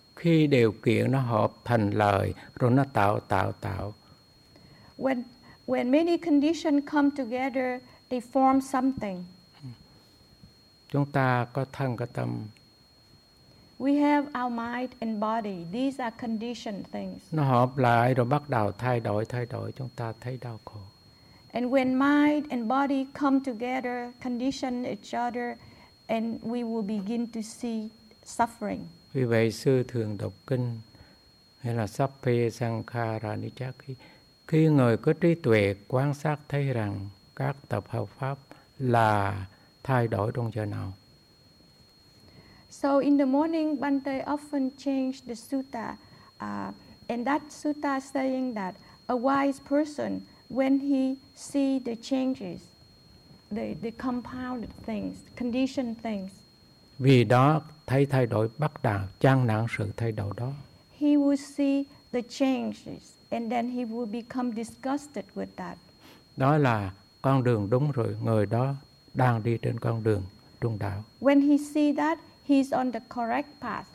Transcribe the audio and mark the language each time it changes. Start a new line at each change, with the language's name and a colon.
Vietnamese: Khi điều kiện nó hợp thành lời rồi nó tạo.
English: When many conditions come together, they form something.
Vietnamese: Chúng ta có thân có tâm.
English: We have our mind and body. These are conditioned things.
Vietnamese: Nó hợp lại rồi bắt đầu thay đổi, chúng ta thấy đau khổ.
English: And when mind and body come together, condition each other, and we will begin to see suffering.
Vietnamese: Vì vậy, sư thường đọc kinh, hay là
Pali: Sappe Sankhara Nichakhi.
Vietnamese: Khi người có trí tuệ quan sát thấy rằng các tập hợp pháp là thay đổi trong giờ nào.
English: So in the morning, Bhante often changed the sutta. And that sutta saying that a wise person, when he see the changes, the compounded things, conditioned things.
Vietnamese: Vì đó thấy thay đổi bắt đầu, chăng nặng sự thay đổi đó.
English: He will see the changes and then he will become disgusted with that.
Vietnamese: Đó là con đường đúng rồi, người đó đang đi trên con đường trung đạo.
English: When he see that, he's on the correct path.